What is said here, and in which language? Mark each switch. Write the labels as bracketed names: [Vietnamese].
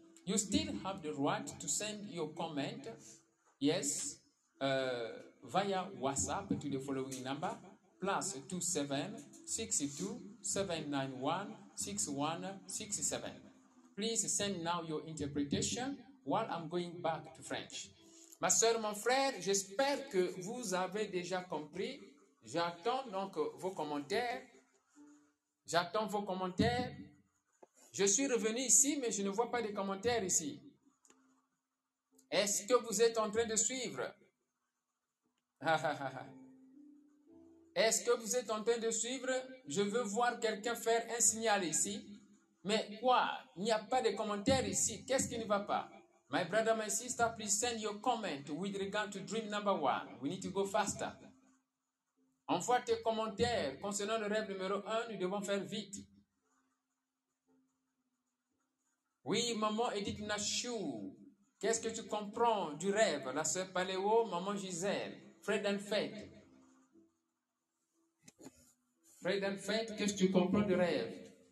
[English] You still have the right to send your comment, via WhatsApp to the following number, +27 62 791 6167. Please send now your interpretation while I'm going back to French. [French] Ma soeur, mon frère, j'espère que vous avez déjà compris. J'attends donc vos commentaires. J'attends vos commentaires. Je suis revenu ici, mais je ne vois pas de commentaires ici. Est-ce que vous êtes en train de suivre? Est-ce que vous êtes en train de suivre? Je veux voir quelqu'un faire un signal ici. Mais quoi? Il n'y a pas de commentaires ici. Qu'est-ce qui ne va pas? [English] My brother, my sister, please send your comment with regard to dream number one. We need to go faster. [French] Envoie tes commentaires concernant le rêve numéro 1, nous devons faire vite. Oui, maman Edith Nashu, qu'est-ce que tu comprends du rêve? La sœur Paléo, maman Gisèle, Fred and Faith, qu'est-ce que tu comprends du rêve?